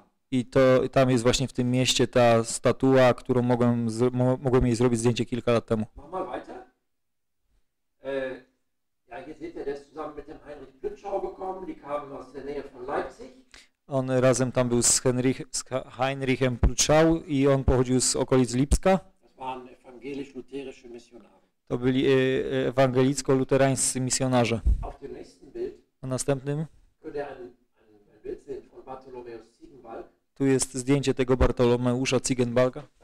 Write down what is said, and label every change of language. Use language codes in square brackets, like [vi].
[pl] I to tam jest właśnie w tym mieście ta statua, którą mogłem jej zrobić zdjęcie kilka lat temu. [de] Mach mal weiter. Ja, hier seht ihr, das Zuschauer gekommen, die kamen aus der Nähe von Leipzig. [pl] On razem tam był z Heinrichem Pluchau i on pochodził z okolic Lipska. [de] Das waren evangelisch-lutherische Missionare. [pl] To byli ewangelicko-luterańscy misjonarze. [de] Auf dem nächsten Bild. [pl] Na następnym. [de] Könnte ein Bild sehen von Bartholomäus Ziegenbalg. [pl] Tu jest zdjęcie tego Bartolomeusza Ziegenbalga.